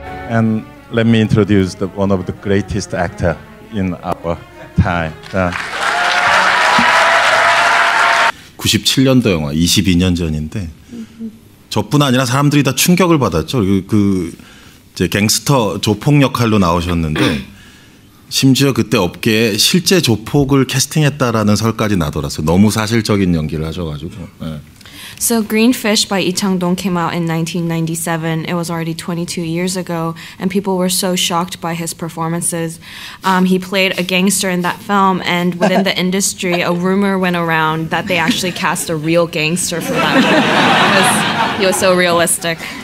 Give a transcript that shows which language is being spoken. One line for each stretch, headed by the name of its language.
English: And let me introduce one of the greatest actors in our time.
Korean: 97년도 영화, 22년 전인데 저뿐 아니라 사람들이 다 충격을 받았죠. 그 이제 갱스터 조폭 역할로 나오셨는데 심지어 그때 업계에 실제 조폭을 캐스팅했다라는 설까지 나돌았어요. 너무 사실적인 연기를 하셔가지고. 네.
English: So Green Fish by Lee Chang-dong came out in 1997. It was already 22 years ago, and people were so shocked by his performances. He played a gangster in that film, and within the industry, a rumor went around that they actually cast a real gangster for that movie because he was so realistic.